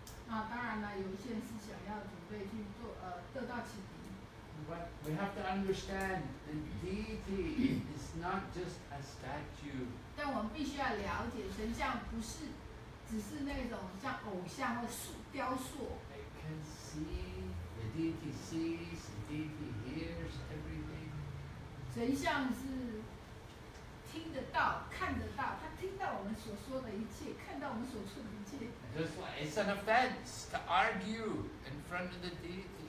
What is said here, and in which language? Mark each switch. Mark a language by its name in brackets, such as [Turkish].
[Chinese] 那当然呢，有一些人是想要准备去做，得到启迪。 [English] But we have to understand the deity is not just a statue. [Chinese] 但我们必须要了解，神像不是只是那种像偶像或塑雕塑。 [English] I can see, the deity sees, the deity hears everything. [Chinese] 神像是听得到、看得到，他听到我们所说的一切，看到我们所做的一切。 [English] Just like it's an offense to argue in front of the deity.